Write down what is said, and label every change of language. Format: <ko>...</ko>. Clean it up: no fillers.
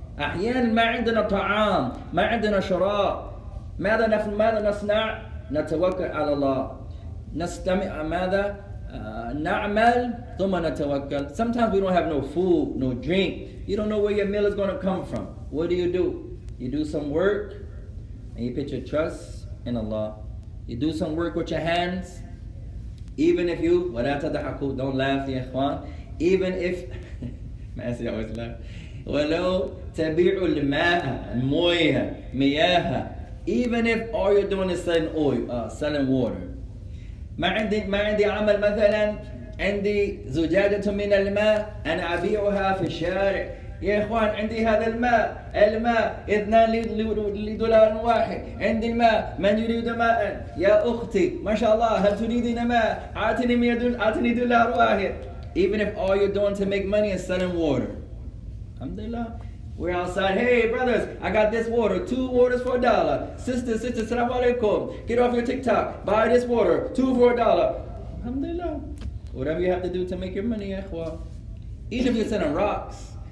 <ar>أحيانا ما عندنا طعام, ما عندنا شراء. ماذا نصنع؟ نتوكل على الله. نستمع ماذا؟ نعمل ثم نتوكل.</ar> <en>Sometimes we don't have no food, no drink. You don't know where your meal is going to come from. What do? You do some work and you put your trust in Allah. You do some work with your hands, even if you,</en> <ar>وَلَا تَضَحَكُوا,</ar> <en>don't laugh,</en> <ar>يَا إِخْوَانَ,</ar> <en>even if, Masi always laugh,</en> <ar>وَلَوْ تَبِيعُ الْمَاءَ الْمُوِيهَ مِيَاهَ,</ar> <en>even if all you're doing is selling oil, selling water.</en> <ar>ما عندي عمل مثلا, عندي زجاجة من الماء, أنا أبيعها في الشارع. يا إخوان عندي هذا الماء, الماء 2 دولار واحد, عندي الماء, من يريد ماء؟ يا أختي ما شاء الله هل تريدين ماء؟ أعطني 100 دولار واحد.</ar> <en>Even if all you're doing to make money is selling water. Alhamdulillah. We're outside, hey brothers, I got this water, 2 waters for $1. Sister, salamu alaikum, get off your TikTok, buy this water, 2 for $1. Alhamdulillah. Whatever you have to do to make your money, ya إخوان. Even if you're selling rocks.</en>